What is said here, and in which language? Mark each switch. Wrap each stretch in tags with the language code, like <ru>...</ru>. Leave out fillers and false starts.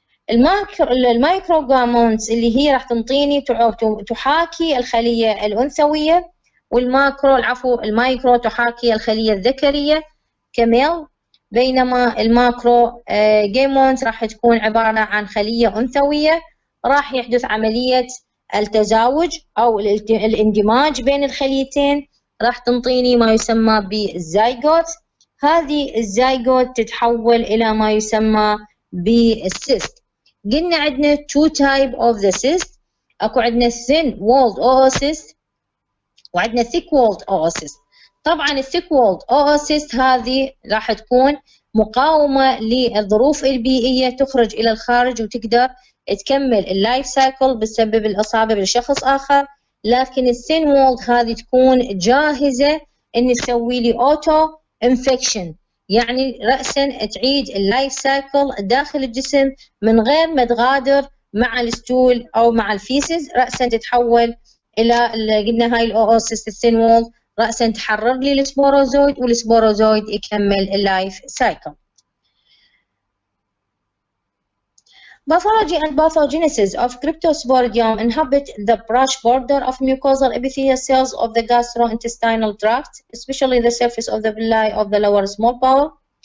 <ar>المايكروغومونت اللي هي راح تنطيني تحاكي الخلية الانثوية، والماكرو العفو المايكرو تحاكي الخلية الذكرية كميل، بينما الماكروغومونت راح تكون عبارة عن خلية انثوية. راح يحدث عملية التزاوج او الاندماج بين الخليتين راح تنطيني ما يسمى بالزايغوت. هذه الزايغوت تتحول الى ما يسمى بالسيست. قلنا عندنا</ar> <en>two type of the cyst،</en> <ar>اكو عندنا thin walled oocyst وعندنا thick walled oocyst. طبعا thick walled oocyst هذه راح تكون مقاومة للظروف البيئية تخرج الى الخارج وتقدر تكمل اللايف سايكل بسبب الاصابه بالشخص اخر، لكن السين وولد هذه تكون جاهزه ان تسوي لي اوتو انفكشن، يعني راسا تعيد اللايف سايكل داخل الجسم من غير ما تغادر مع الستول او مع الفيسز، راسا تتحول الى قلنا هاي الاوسيست السين وولد راسا تحرر لي السبوروزويد والسبوروزويد يكمل اللايف سايكل.</ar> <en>Pathology and pathogenesis of cryptosporidium inhabit the brush border of mucosal epithelial cells of the gastrointestinal tract, especially the surface of the villi of the lower small bowel.</en>